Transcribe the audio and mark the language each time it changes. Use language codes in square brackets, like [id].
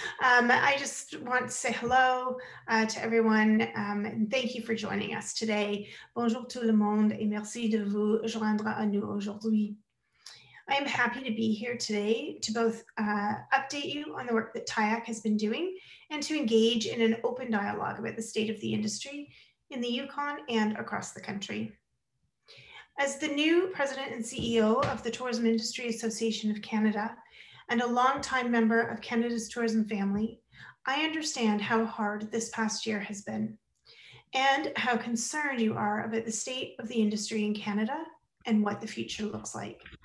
[en] I just want to say hello to everyone, and thank you for joining us today. [fr] Bonjour tout le monde, et merci de vous joindre à nous aujourd'hui. [en] I am happy to be here today to both update you on the work that TIAC has been doing and to engage in an open dialogue about the state of the industry in the Yukon and across the country. As the new President and CEO of the Tourism Industry Association of Canada and a longtime member of Canada's tourism family, I understand how hard this past year has been and how concerned you are about the state of the industry in Canada and what the future looks like.